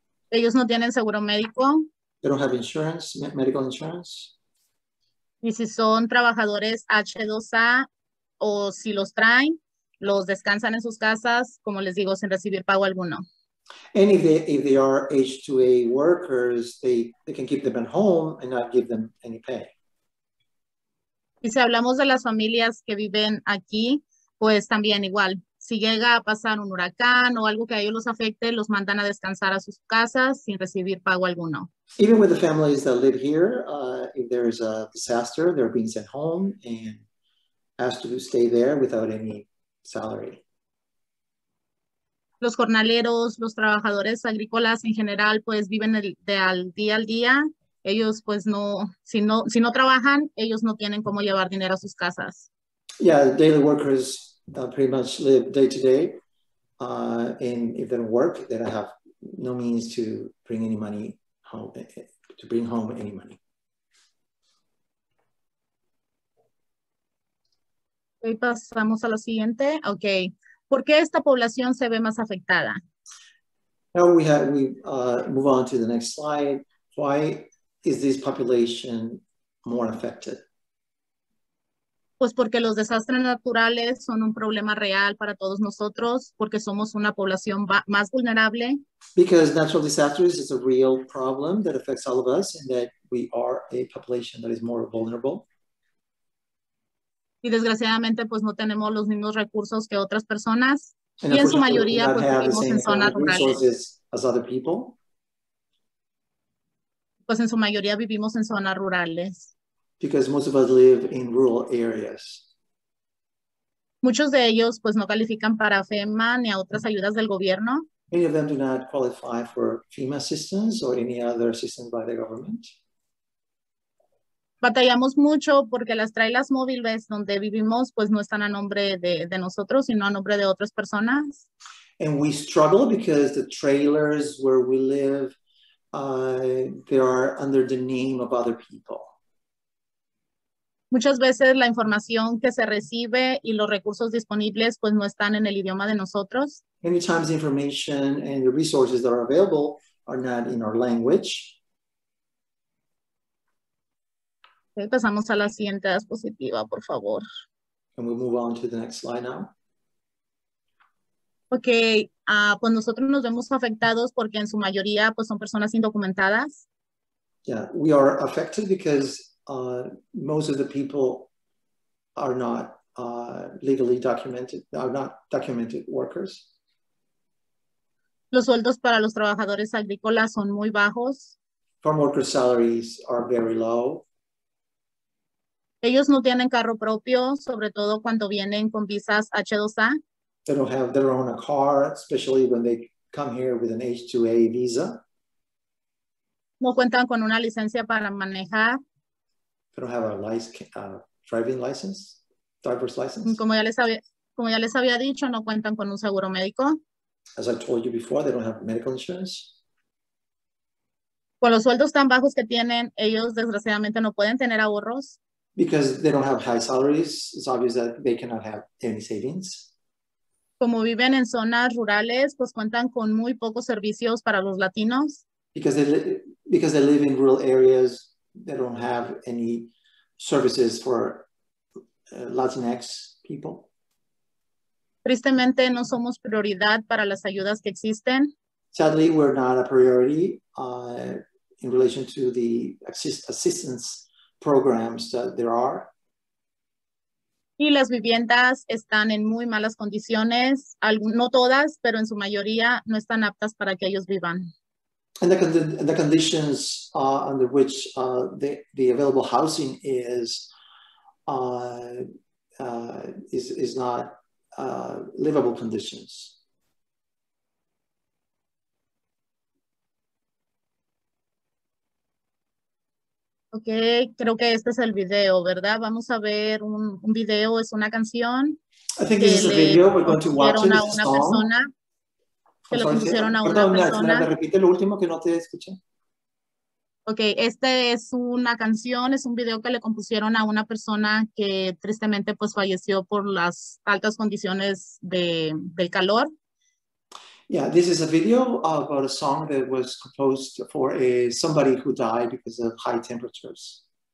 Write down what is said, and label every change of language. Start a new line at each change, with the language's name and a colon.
Spanish: Ellos no tienen seguro médico.
English: They don't have insurance, medical insurance.
Spanish: Y si son trabajadores H2A o si los traen, los descansan en sus casas, como les digo, sin recibir pago alguno.
English: And if they are H2A workers, they can keep them at home and not give them any pay.
Spanish: Y si hablamos de las familias que viven aquí, pues también igual. Si llega a pasar un huracán o algo que a ellos los afecte, los mandan a descansar a sus casas sin recibir pago alguno.
English: Even with the families that live here, if there is a disaster, they're being sent home and asked to stay there without any salary.
Spanish: Los jornaleros, los trabajadores agrícolas en general, pues viven de día al día. Ellos, pues no, si no trabajan, ellos no tienen cómo llevar dinero a sus casas.
English: Yeah, daily workers pretty much live day to day. And if they don't work, they don't have no means to bring any money home, to bring home any money.
Spanish: Okay, pasamos a lo siguiente. Okay. ¿Por qué esta población se ve más afectada?
English: Now we move on to the next slide. Why is this population more affected?
Spanish: Pues porque los desastres naturales son un problema real para todos nosotros, porque somos una población más vulnerable.
English: Because natural disasters is a real problem that affects all of us and that we are a population that is more vulnerable.
Spanish: Y desgraciadamente, pues no tenemos los mismos recursos que otras personas. Y en su mayoría, pues vivimos en zonas rurales. Pues en su mayoría vivimos en zonas rurales.
English: Because most of us live in rural areas.
Spanish: Muchos de ellos, pues no califican para FEMA ni a otras ayudas del gobierno.
English: Many of them do not qualify for FEMA assistance or any other assistance by the government.
Spanish: Batallamos mucho porque las trailas móviles donde vivimos pues no están a nombre de nosotros, sino a nombre de otras personas.
English: And we struggle because the trailers where we live, they are under the name of other people.
Spanish: Muchas veces la información que se recibe y los recursos disponibles pues no están en el idioma de nosotros.
English: Many times the information and the resources that are available are not in our language.
Spanish: Pasamos a la siguiente diapositiva, por favor.
English: Can we move on to the next slide now?
Spanish: Okay, pues nosotros nos vemos afectados porque en su mayoría pues son personas indocumentadas.
English: Yeah, we are affected because most of the people are not legally documented, are not documented workers.
Spanish: Los sueldos para los trabajadores agrícolas son muy bajos.
English: Farm worker salaries are very low.
Spanish: Ellos no tienen carro propio, sobre todo cuando vienen con visas H2A.
English: They don't have their own car, especially when they come here with an H2A visa.
Spanish: No cuentan con una licencia para manejar.
English: They don't have a driving license, driver's license.
Spanish: Como ya les había dicho, no cuentan con un seguro médico.
English: As I told you before, they don't have medical insurance.
Spanish: Con los sueldos tan bajos que tienen, ellos desgraciadamente no pueden tener ahorros.
English: Because they don't have high salaries, it's obvious that they cannot have any savings.
Spanish: Como viven en zonas rurales, pues cuentan con muy pocos servicios para los latinos.
English: Because they live in rural areas, they don't have any services for Latinx people.
Spanish: Tristemente, no somos prioridad para las ayudas que existen.
English: Sadly, we're not a priority in relation to the assistance programs that there are.
Spanish: Y las viviendas están en muy malas condiciones, no todas, pero en su mayoría no están aptas para que ellos vivan.
English: And the conditions under which the available housing is not livable conditions.
Spanish: Okay, creo que este es el video, ¿verdad? Vamos a ver un video, es una canción.
English: I think this is a video, we're going to watch it, it's a song.
Spanish: Persona, que lo pusieron a una persona. Perdón, Nat, repite lo último que no te escuché. Okay, esta es una canción, es un video que le compusieron a una persona que tristemente pues falleció por las altas condiciones del calor.
English: Yeah, this is a video about a song that was composed for somebody who died because of high temperatures.